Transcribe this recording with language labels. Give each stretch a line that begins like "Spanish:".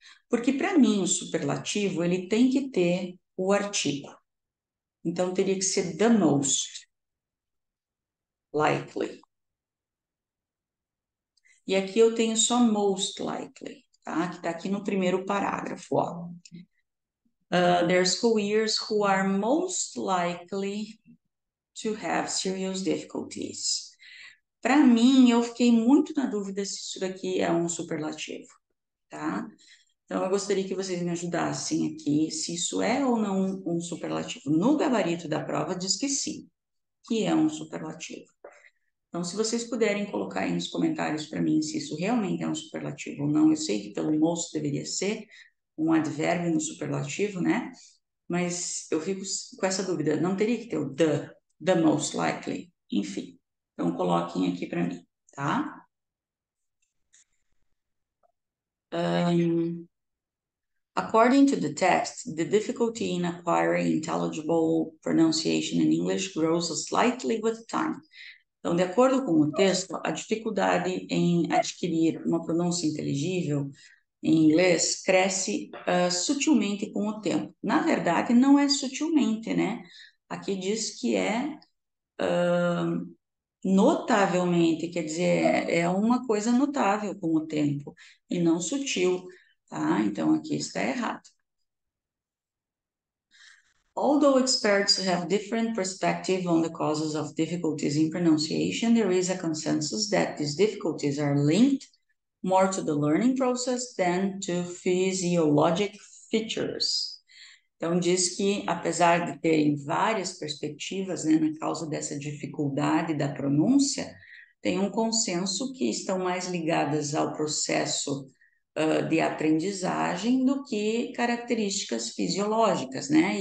Portuguese: Porque para mim o superlativo ele tem que ter o artigo. Então teria que ser
English: the most likely.
Portuguese: E aqui eu tenho só
English: most likely,
Portuguese: tá? Que está aqui no primeiro parágrafo, ó.
English: There are school years who are most likely to have serious difficulties.
Portuguese: Para mim, eu fiquei muito na dúvida se isso daqui é um superlativo, tá? Então, eu gostaria que vocês me ajudassem aqui, se isso é ou não um superlativo. No gabarito da prova, diz que sim, que é um superlativo. Então, se vocês puderem colocar aí nos comentários para mim se isso realmente é um superlativo ou não, eu sei que pelo most deveria ser um advérbio no superlativo, né? Mas eu fico com essa dúvida. Não teria que ter o
English: the most likely?
Portuguese: Enfim, então coloquem aqui para mim, tá?
English: According to the text, the difficulty in acquiring intelligible pronunciation in English grows slightly with time.
Portuguese: Então, de acordo com o texto, a dificuldade em adquirir uma pronúncia inteligível em inglês cresce sutilmente com o tempo. Na verdade, não é sutilmente, né? Aqui diz que é notavelmente, quer dizer, é uma coisa notável com o tempo e não sutil, tá? Então aqui está errado.
English: Although experts have different perspectives on the causes of difficulties in pronunciation, there is a consensus that these difficulties are linked more to the learning process than to physiologic features.
Portuguese: Então diz que apesar de terem várias perspectivas, né, na causa dessa dificuldade da pronúncia, tem um consenso que estão mais ligadas ao processo de aprendizagem do que características fisiológicas, né?